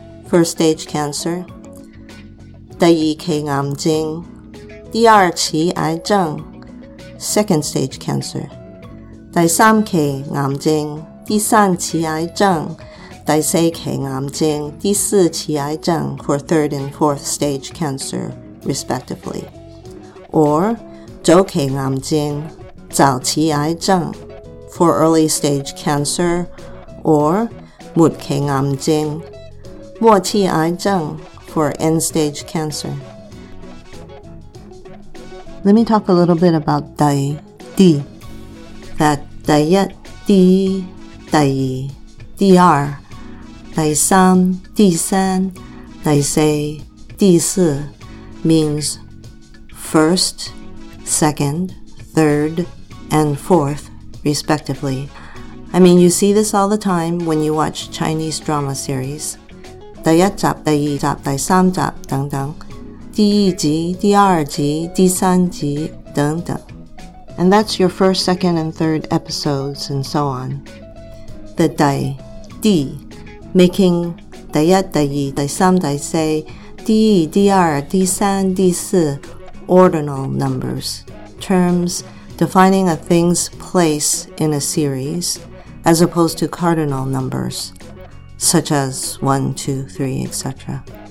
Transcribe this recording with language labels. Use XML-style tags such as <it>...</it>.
<en>first stage cancer</en> <zh>第二期癌症第二期癌症</zh> <en>second stage cancer</en> <zh>第三期癌症第三期癌症第四期癌症第四期癌症</zh> <en>for third and fourth stage cancer respectively or</en> <zh>早期癌症早期癌症</zh> <en>for early stage cancer or</en> <zh>末期癌症末期癌症</zh> <en>for end-stage cancer. Let me talk a little bit about</en> <zh>第第 that 第一第一第二第二第三第三第四第四</zh> <en>means first, second, third, and fourth, respectively. I mean, you see this all the time when you watch Chinese drama series.</en> <zh>第一集、第二集、第三集等等，第一集、第二集、第三集等等。</zh> <en>And that's your first, second, and third episodes and so on.</en> <zh>第第第 making 第一、第二、第三、第四、第一、第二、第三、第四</zh> <en>ordinal numbers, terms defining a thing's place in a series, as opposed to cardinal numbers, such as 1, 2, 3, etc.</en>